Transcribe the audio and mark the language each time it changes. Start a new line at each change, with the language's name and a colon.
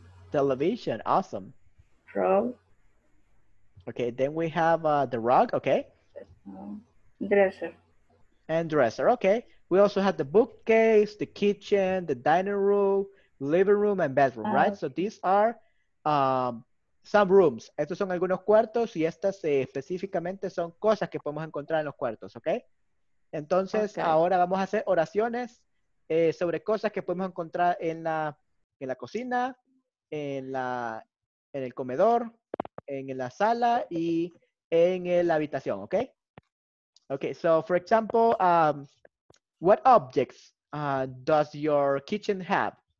English: Television, awesome. Rug. Okay, then we have the rug, okay. Dresser. And dresser, okay. We also have the bookcase, the kitchen, the dining room, living room, and bedroom, right? So these are some rooms.
Spanish: Estos son algunos cuartos y estas específicamente son cosas que podemos encontrar en los cuartos, okay? Entonces, okay. Ahora vamos a hacer oraciones sobre cosas que podemos encontrar en la cocina, en el comedor, en la sala y en la habitación, okay?
English: Okay, so for example, what objects does your kitchen have?